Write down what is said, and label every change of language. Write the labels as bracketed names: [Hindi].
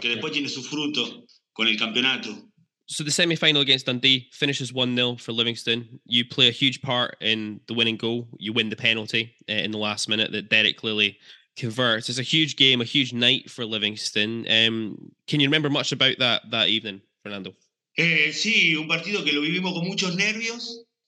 [Spanish] Que después tiene su fruto con el campeonato. [English] So the semi-final against Dundee finishes 1-0 for Livingston. You play a huge part in the winning goal. You win the penalty in the last minute that Derek Lilly converts. It's a huge game, a huge night for Livingston. Can you remember much about that evening, Fernando? [Spanish] Sí, un partido que lo vivimos con muchos nervios.